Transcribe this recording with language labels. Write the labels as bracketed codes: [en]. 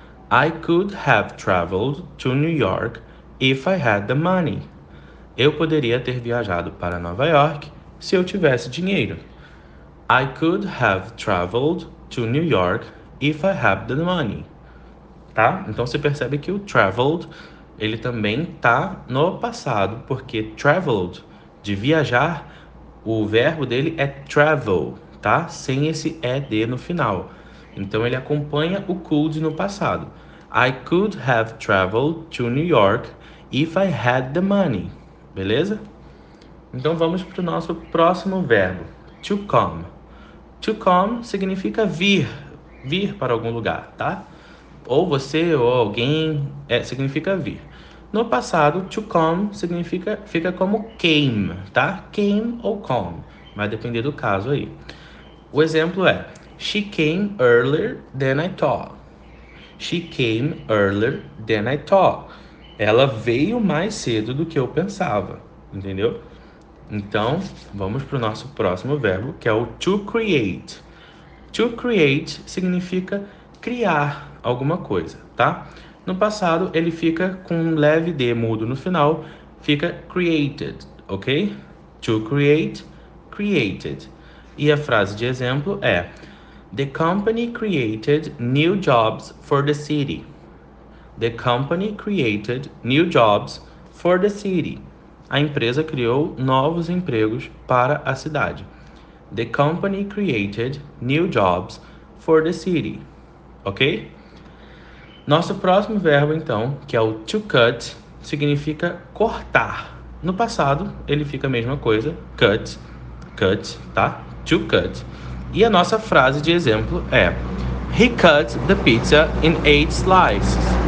[en] I could have traveled to New York if I had the money. [pt] Eu poderia ter viajado para Nova York se eu tivesse dinheiro. [en] I could have traveled to New York if I had the money. [pt] Tá? Então você percebe que o traveled, ele também tá no passado, porque traveled, de viajar, o verbo dele é travel, tá? Sem esse ed no final. Então ele acompanha o could no passado. [en] I could have traveled to New York if I had the money. [pt] Beleza? Então vamos para o nosso próximo verbo, to come. To come significa vir, vir para algum lugar, tá? Ou você ou alguém, significa vir. No passado, to come significa, fica como came, tá? Came ou come, vai depender do caso aí. O exemplo é, [en] she came earlier than I thought. She came earlier than I thought. [pt] Ela veio mais cedo do que eu pensava, entendeu? Então, vamos para o nosso próximo verbo, que é o to create. To create significa criar alguma coisa, tá? No passado, ele fica com um leve D mudo no final, fica created, ok? To create, created. E a frase de exemplo é [en] the company created new jobs for the city. The company created new jobs for the city. [pt] A empresa criou novos empregos para a cidade. [en] The company created new jobs for the city. Ok? [pt] Nosso próximo verbo, então, que é o to cut, significa cortar. No passado, ele fica a mesma coisa. Cut, cut, tá? To cut. E a nossa frase de exemplo é [en] he cut the pizza in 8 slices.